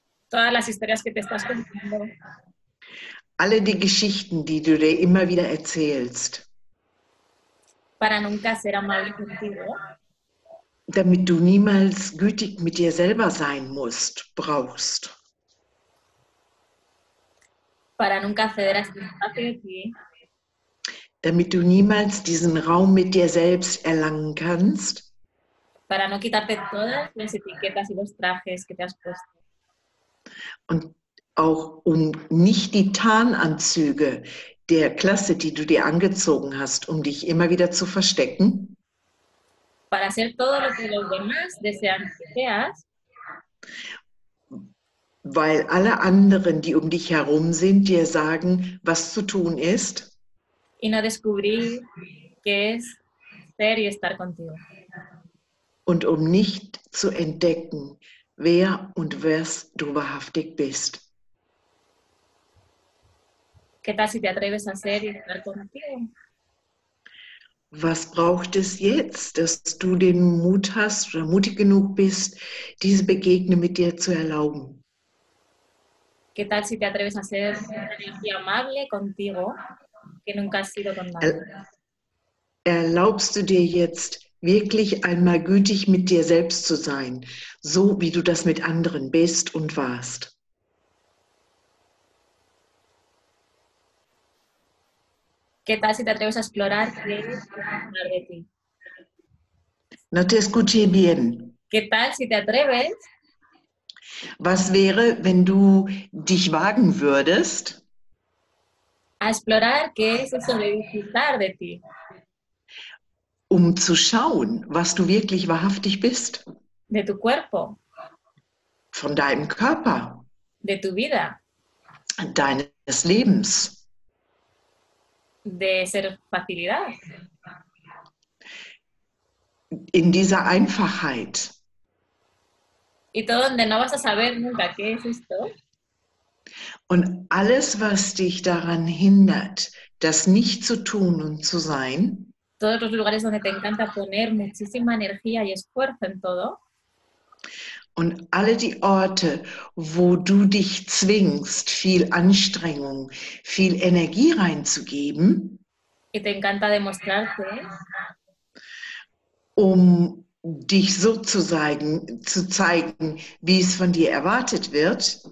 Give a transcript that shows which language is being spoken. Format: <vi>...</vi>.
<es>Todas las historias que te estás contando.</es> <de>Alle die Geschichten, die du dir immer wieder erzählst.</de> <es>Para nunca ser amable contigo.</es> <de>Damit du niemals gütig mit dir selber sein musst, brauchst.</de> <es>Para nunca ceder a este espacio de ti.</es> <de>Damit du niemals diesen Raum mit dir selbst erlangen kannst.</de> <es>Para no quitarte todas las etiquetas y los trajes que te has puesto.</es> <de>Und auch um nicht die Tarnanzüge der Klasse, die du dir angezogen hast, um dich immer wieder zu verstecken.</de> <es>Para hacer todo lo que los demás desean que seas.</es> <de>Weil alle anderen, die um dich herum sind, dir sagen, was zu tun ist.</de> <es>Y no descubrir qué es ser y estar contigo.</es> <de>Und um nicht zu entdecken, wer und was du wahrhaftig bist.</de> <es>¿Qué tal si te atreves a ser y estar contigo?</es> <de>Was braucht es jetzt, dass du den Mut hast oder mutig genug bist, diese Begegnung mit dir zu erlauben?</de> <es>¿Qué tal si te atreves a ser amable contigo, que nunca has sido con nadie?</es> <de>Erlaubst du dir jetzt, wirklich einmal gütig mit dir selbst zu sein, so wie du das mit anderen bist und warst?</de> <es>¿Qué tal si te atreves a explorar qué es hablar de ti? No te escuché bien. ¿Qué tal si te atreves?</es> <de>Was wäre, wenn du dich wagen würdest?</de> <es>A explorar qué es eso de disfrutar de ti.</es> <de>Um zu schauen, was du wirklich wahrhaftig bist.</de> <es>De tu cuerpo.</es> <de>Von deinem Körper.</de> <es>De tu vida.</es> <de>Deines Lebens.</de> <es>De ser facilidad.</es> <de>In dieser Einfachheit.</de> <es>Y todo donde no vas a saber nunca qué es esto.</es> <de>Und alles, was dich daran hindert, das nicht zu tun und zu sein.</de> <es>Todos los lugares donde te encanta poner muchísima energía y esfuerzo en todo.</es> <de>Und alle die Orte, wo du dich zwingst, viel Anstrengung, viel Energie reinzugeben,</de> <es>y te encanta demostrarte,</es> <de>um dich so zu zeigen, wie es von dir erwartet wird,</de>